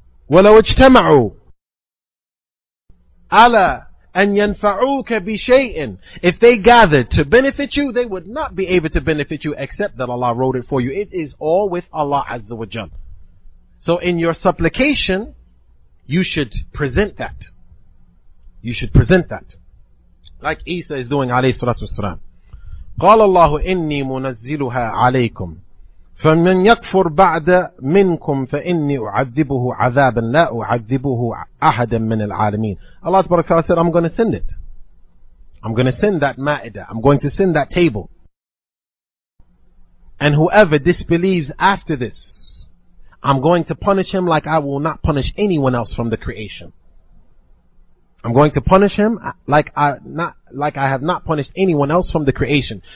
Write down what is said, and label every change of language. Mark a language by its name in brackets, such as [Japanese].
[Arabic] وَلَوْ اجْتَمَعُوا عَلَى أَنْ يَنْفَعُوكَ بِشَيْءٍ [English] If they gathered to benefit you, they would not be able to benefit you except that Allah wrote it for you. It is all with Allah Azza wa Jal. So in your supplication, you should present that. You should present that. Like Isa is doing, alayhi salatu wasalam. [Arabic] قال الله إني منزلها عليكم فمن يكفر بعد منكم فإني أعذبه عذابا لا أعذبه أحدا من العالمين [English] Allah subhanahu wa ta'ala said, I'm going to send it. I'm going to send that ma'idah. I'm going to send that table. And whoever disbelieves after this, I'm going to punish him like I will not punish anyone else from the creation. I'm going to punish him like I have not punished anyone else from the creation.